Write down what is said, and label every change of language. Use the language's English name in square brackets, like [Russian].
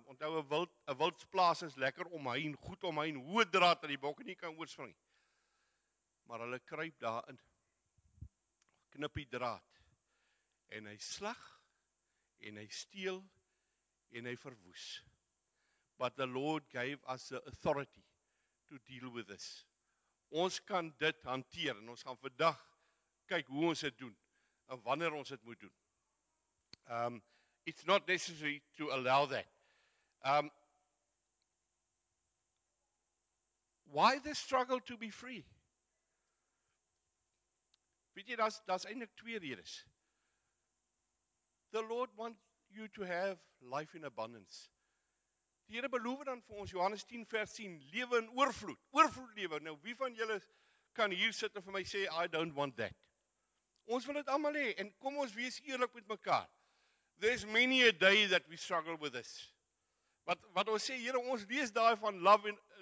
[Afrikaans] Onthou, a wildsplaas is lekker om hy en goed om hy en hoë draad dat die bokke nie kan oorspring nie. Maar hulle kruip daarin, knip die draad, en hy slag, en hy steel, en hy verwoes. [English] But the Lord gave us the authority to deal with this. [Afrikaans] Ons kan dit hanteer, en ons gaan vandag kyk hoe ons dit doen, en wanneer ons dit moet doen. [English] It's not necessary to allow that. Why the struggle to be free? [Afrikaans] Weet jy, daar's eintlik twee redes. [English] The Lord wants you to have life in abundance. [Afrikaans] Die Here beloof dan vir ons, Johannes 10 vers 10, lewe in oorvloed. Oorvloed lewe. Nou, wie van julle kan hier sit en vir my sê, [English] I don't want that. [Afrikaans] Ons wil dit allemaal hê. En kom ons wees eerlijk met mekaar. [English] There's many a day that we struggle with this. [Afrikaans] Wat ons sê, Here, ons lees daar van love in,